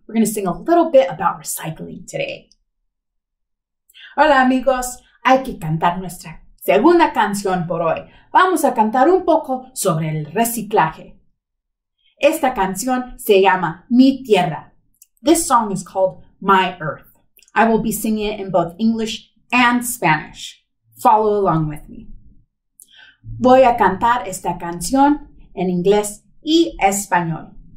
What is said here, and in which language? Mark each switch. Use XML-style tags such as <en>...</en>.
<en>We're going to sing a little bit about recycling today.</en> <es>Hola, amigos. Hay que cantar nuestra segunda canción por hoy. Vamos a cantar un poco sobre el reciclaje. Esta canción se llama Mi Tierra.</es> <en>This song is called My Earth. I will be singing it in both English and Spanish. Follow along with me.</en> <es>Voy a cantar esta canción en inglés y español.</es>